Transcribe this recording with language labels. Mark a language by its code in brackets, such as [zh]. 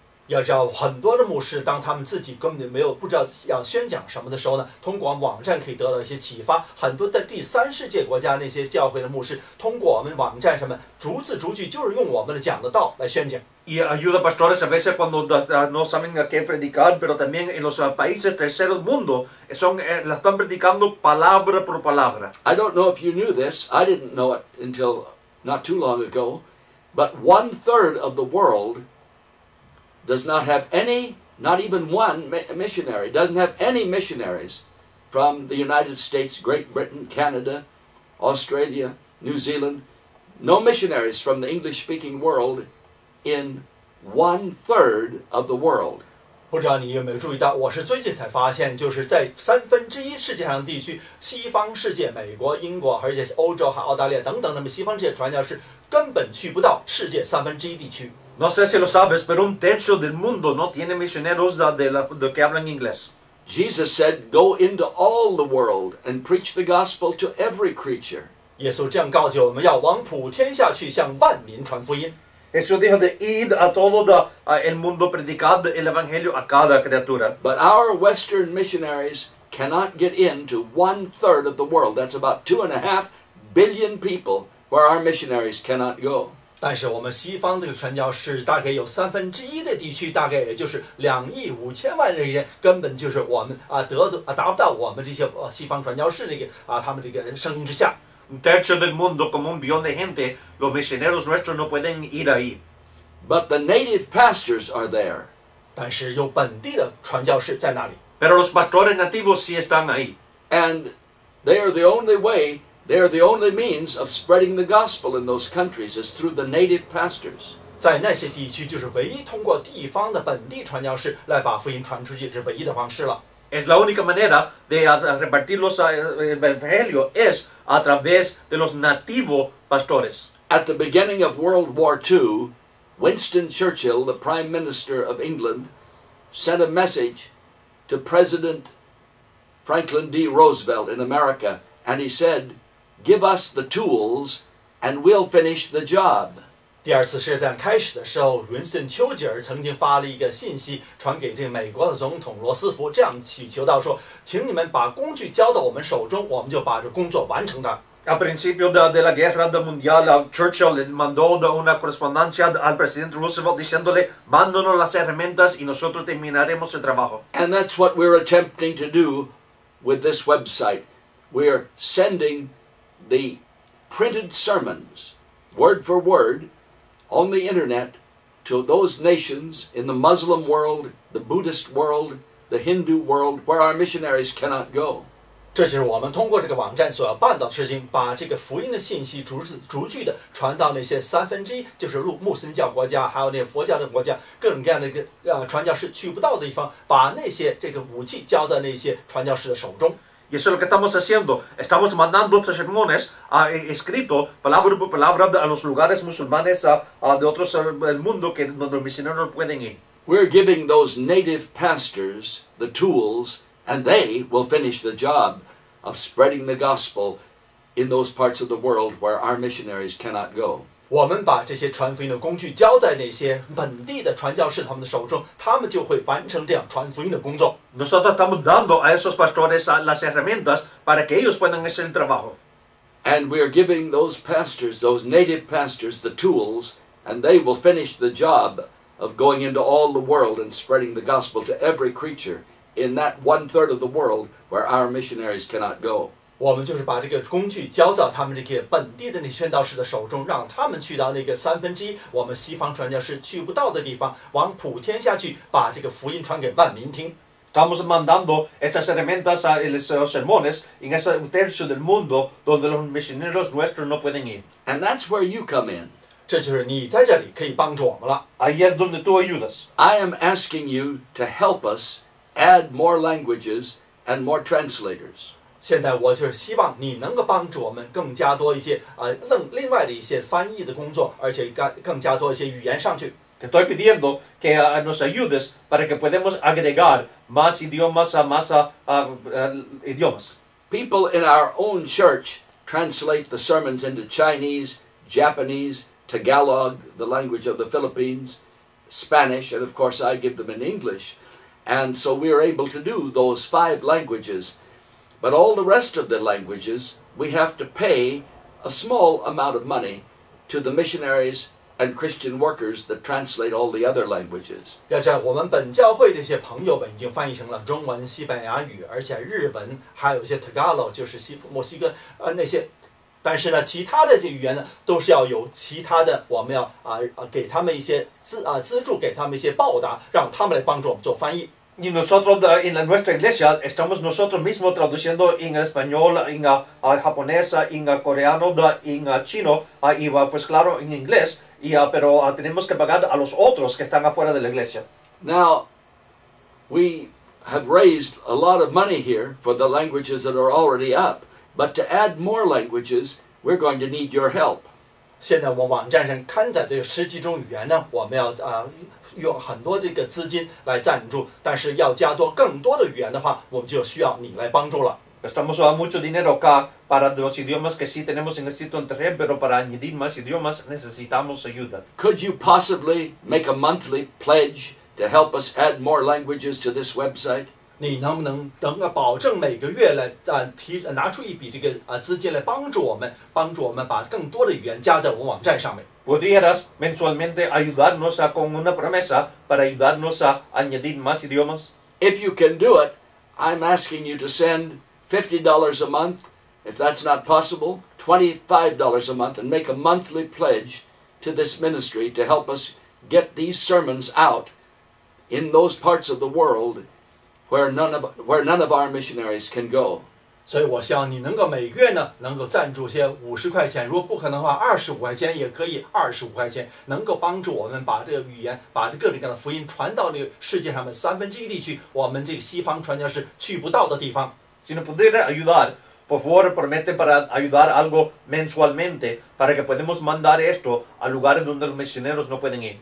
[zh] 要知道，很多的牧师当他们自己根本没有不知道要宣讲什么的时候呢，通过网站可以得到一些启发。很多的第三世界国家那些教会的牧师，通过我们网站上面逐字逐句，就是用我们的讲的道来宣讲。 [es] Y ayuda pastores a veces cuando no saben a qué predicar, pero también en los países tercer mundo la están predicando palabra por palabra. [en] I don't know if you knew this, I didn't know it until not too long ago, but 1/3 of the world does not have any, not even one missionary, doesn't have any missionaries from the United States, Great Britain, Canada, Australia, New Zealand, no missionaries from the English-speaking world. In 1/3 of the world, [zh] 不知道你有没有注意到，我是最近才发现，就是在三分之一世界上的地区，西方世界，美国、英国，而且欧洲和澳大利亚等等，那么西方世界传教士根本去不到世界三分之一地区。 [es] No sé si lo sabes, pero un tercio del mundo no tiene misioneros de que hablan inglés. [en] Jesus said, "Go into all the world and preach the gospel to every creature." [zh] 耶稣这样告诫我们要往普天下去，向万民传福音。 [es] Jesús dijo de ir a todo el mundo predicando el evangelio a cada criatura. [en] But our Western missionaries cannot get into 1/3 of the world. That's about 2.5 billion people where our missionaries cannot go. [zh] 但是我们西方的传教士大概有三分之一的地区，大概也就是2.5亿的人，根本就是我们啊得啊达不到我们这些西方传教士那个啊他们这个声音之下。 [es] Un tercio del mundo como 1 billion de gente, los misioneros nuestros no pueden ir ahí. [en] But the native pastors are there. [zh] 但是有本地的传教士在那里。 [es] Pero los pastores nativos sí están ahí. [en] And they are the only way, they are the only means of spreading the gospel in those countries is through the native pastors. [zh] 在那些地区就是唯一通过地方的本地传教士来把福音传出去是唯一的方式了。 [es] Es la única manera de repartir los evangelios es a través de los nativos pastores. [en] At the beginning of World War II, Winston Churchill, the Prime Minister of England, sent a message to President Franklin D. Roosevelt in America, and he said, "Give us the tools, and we'll finish the job." [zh] 第二次世界大战开始的时候，文斯顿·丘吉尔曾经发了一个信息传给这个美国的总统罗斯福，这样祈求到说：“请你们把工具交到我们手中，我们就把这工作完成的。” [es] A principio de la guerra mundial, Churchill le mandó una correspondencia al presidente Roosevelt diciéndole: "Mándanos las herramientas y nosotros terminaremos el trabajo." [en] And that's what we're attempting to do with this website. We're sending the printed sermons, word for word. On the internet, to those nations in the Muslim world, the Buddhist world, the Hindu world, where our missionaries cannot go. [zh] 这就是我们通过这个网站所要办到的事情，把这个福音的信息逐字逐句的传到那些三分之一，就是穆斯林教国家，还有那佛教的国家，各种各样的一个传教士去不到的地方，把那些这个武器交到那些传教士的手中。 [es] Y eso es lo que estamos haciendo. Estamos mandando estos sermones escritos, palabra por palabra, a los lugares musulmanes de otros del mundo que donde los misioneros pueden ir. [en] We're giving those native pastors the tools, and they will finish the job. of spreading the gospel in those parts of the world where our missionaries cannot go. [zh] 我们把这些传福音的工具交在那些本地的传教士他们的手中，他们就会完成这样传福音的工作。 [es] Nosotros estamos dando a esos pastores las herramientas para que ellos puedan hacer el trabajo. [en] And we are giving those pastors, those native pastors, the tools, and they will finish the job of going into all the world and spreading the gospel to every creature in that one third of the world where our missionaries cannot go. [zh] 我们就是把这个工具交到他们这些本地的那些宣道士的手中，让他们去到那个三分之一我们西方传教士去不到的地方，往普天下去把这个福音传给万民听。 [es] Estamos mandando estas herramientas a los sermones en ese tercio del mundo donde los misioneros nuestros no pueden ir. [en] And that's where you come in. [zh] 这就是你在这里可以帮助我们了。 [es] Ahí es donde tú ayudas. [en] I am asking you to help us add more languages and more translators. [zh] 现在我就是希望你能够帮助我们更加多一些另外的一些翻译的工作，而且更加多一些语言上去。 [es] Te estoy pidiendo que nos ayudes para que podamos agregar más idiomas a más idiomas. [en] People in our own church translate the sermons into Chinese, Japanese, Tagalog, the language of the Philippines, Spanish, and of course I give them in English. And so we are able to do those five languages. But all the rest of the languages, we have to pay a small amount of money to the missionaries and Christian workers that translate all the other languages. [zh] 要在我们本教会这些朋友们已经翻译成了中文、西班牙语，而且日文，还有一些 Tagalog， 就是墨西哥那些。但是呢，其他的这语言呢，都是要有其他的，我们要给他们一些资助，给他们一些报答，让他们来帮助我们做翻译。 [es] Y nosotros en nuestra iglesia estamos nosotros mismos traduciendo en español, en japonés, en coreano, en chino, y pues claro, en inglés, pero tenemos que pagar a los otros que están afuera de la iglesia. [en] Now, we have raised a lot of money here for the languages that are already up, but to add more languages, we're going to need your help. [zh] 现在我网站上刊载的十几种语言呢，我们要用很多这个资金来赞助，但是要加多更多的语言的话，我们就需要你来帮助了。 [es] Estamos usando mucho dinero acá para los idiomas que sí tenemos en el sitio internet, pero para añadir más idiomas necesitamos ayuda. [en] Could you possibly make a monthly pledge to help us add more languages to this website? [zh] 你能不能等保证每个月来拿出一笔这个资金来帮助我们，帮助我们把更多的语言加在我们网站上面？ [es] ¿Podrías mensualmente ayudarnos con una promesa para ayudarnos a añadir más idiomas? [en] If you can do it, I'm asking you to send $50 a month. If that's not possible, $25 a month and make a monthly pledge to this ministry to help us get these sermons out in those parts of the world where none of our missionaries can go. [zh] 所以我希望你能够每个月呢能够赞助些50块钱，如果不可能的话25块钱也可以，25块钱能够帮助我们把这个语言，把这各种各样的福音传到这个世界上的三分之一地区，我们这个西方传教士去不到的地方。 [es] Si no pudiera ayudar, por favor promete para ayudar algo mensualmente para que podamos mandar esto a lugares donde los misioneros no pueden ir.